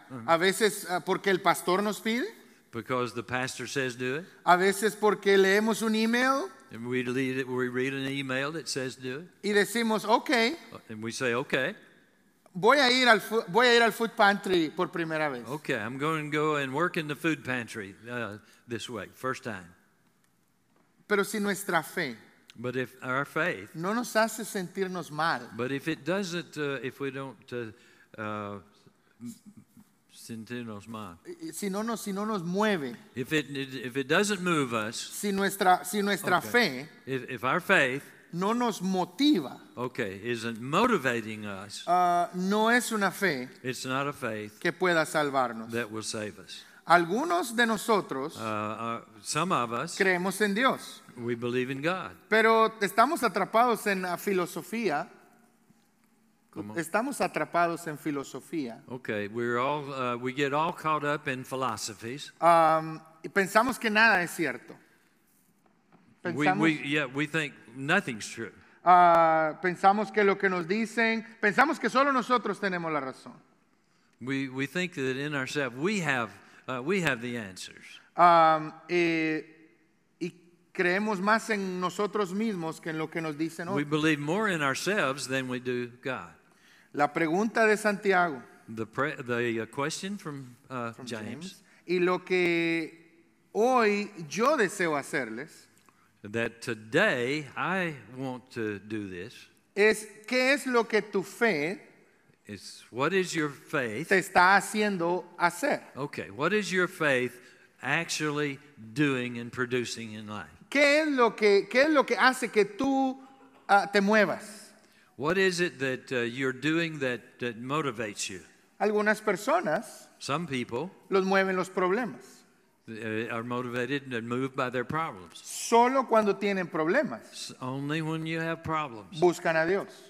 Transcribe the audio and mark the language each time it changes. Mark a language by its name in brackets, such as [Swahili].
[Spanish] Uh-huh. A veces porque el pastor nos pide. [English] Because the pastor says do it. [Spanish] A veces porque leemos un email. [English] And we read an email that says do it. [Spanish] Y decimos okay. [English] And we say okay. [Spanish] Voy a ir al food pantry por primera vez. [English] Okay, I'm going to go and work in the food pantry this week, first time. [Spanish] Pero si nuestra fe. [English] But if our faith. [Spanish] No nos hace sentirnos mal. [English] But if it doesn't, if we don't. [Spanish] Sentirnos mal. Si no nos mueve. [English] If it doesn't move us. [Spanish] Si nuestra okay. Fe. [English] If our faith. [Spanish] No nos motiva. [English] Okay, isn't motivating us. [Spanish] No es una fe. [English] It's not a faith. [Spanish] Que pueda salvarnos. [English] That will save us. [Spanish] Algunos de nosotros. [English] Some of us. [Spanish] Creemos en Dios. [English] We believe in God. [Spanish] Pero estamos atrapados en la filosofía. Estamos atrapados en filosofía. [English] Okay, we get all caught up in philosophies. [Spanish] Pensamos que nada es cierto. [English] We think nothing's true. [Spanish] Pensamos que lo que nos dicen, pensamos que solo nosotros tenemos la razón. [English] We think that in ourselves we have the answers. [Spanish] Creemos más en nosotros mismos que en lo que nos dicen otros. [English] We believe more in ourselves than we do God. [Spanish] La pregunta de Santiago. [English] The question from James. [Spanish] Y lo que hoy yo deseo hacerles. [English] That today I want to do this. [Spanish] Es qué es lo que tu fe. [English] Is what is your faith. [Spanish] Te está haciendo hacer. [English] Okay, what is your faith actually doing and producing in life? [Spanish] ¿Qué es lo que hace que tú te muevas? [English] What is it that you're doing that motivates you? [Spanish] Algunas personas. [English] Some people. [Spanish] Los mueven los problemas. [English] Are motivated and moved by their problems. [Spanish] Solo cuando tienen problemas. [English] Only when you have problems. [Spanish] Buscan a Dios.